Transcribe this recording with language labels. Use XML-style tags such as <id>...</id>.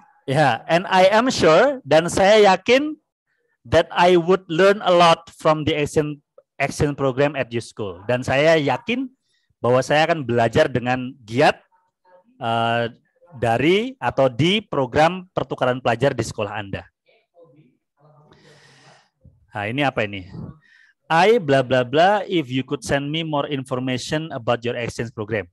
<en>Yeah, and I am sure</en> <id>dan saya yakin</id> <en>that I would learn a lot from the exchange program at your school.</en> <id>Dan saya yakin bahwa saya akan belajar dengan giat dari atau di program pertukaran pelajar di sekolah Anda. Nah, ini apa ini?</id> <en>I bla bla bla if you could send me more information about your exchange program.</en>